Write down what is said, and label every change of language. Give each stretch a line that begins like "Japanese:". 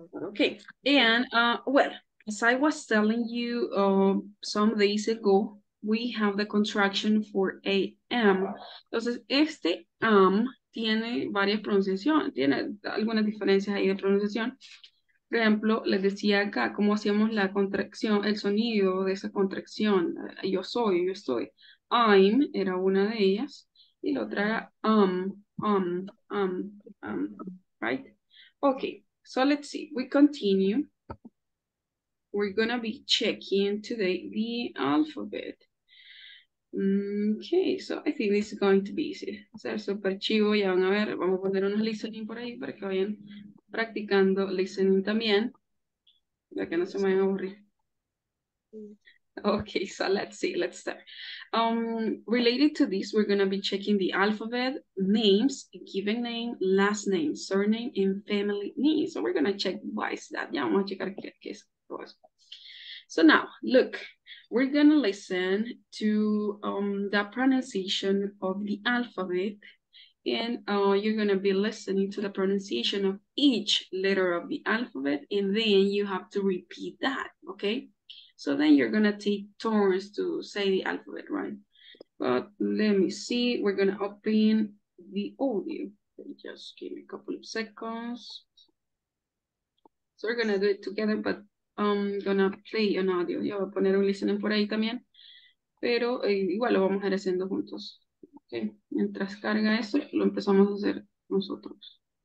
English: Okay, and well, as I was telling you some days ago, we have the contraction for am.
Spanish: Entonces, este am tiene varias pronunciaciones, tiene algunas diferencias ahí de pronunciación. Por ejemplo, les decía acá cómo hacíamos la contracción, el sonido de esa contracción. Yo estoy. I'm era una de ellas. Y la otra era
English: right? Okay, so let's see. We continue. we're gonna be checking today the alphabet. Okay, so I think this is going to be easy.
Spanish: O sea, super chivo, ya van a ver. Vamos a poner unos listening por ahí para que vayan practicando listening también. Para que no se me vayan a aburrir.
English: Okay, so let's see, let's start. Related to this, we're going to be checking the alphabet, names, given name, last name, surname, and family name. So we're going to check why is that.
Spanish: Ya vamos a checar qué es.
English: So now, look, we're going to listen to the pronunciation of the alphabet, and you're going to be listening to the pronunciation of each letter of the alphabet, and then you have to repeat that, okay? So then you're going to take turns to say the alphabet, right? But let me see, we're going to open the audio. Just give me a couple of seconds. So we're going to do it together, but I'm gonna play an audio.
Spanish: Yo voy a poner un listening por ahí también. Pero igual lo vamos a ir haciendo juntos. Okay. Mientras carga eso, lo empezamos a hacer nosotros.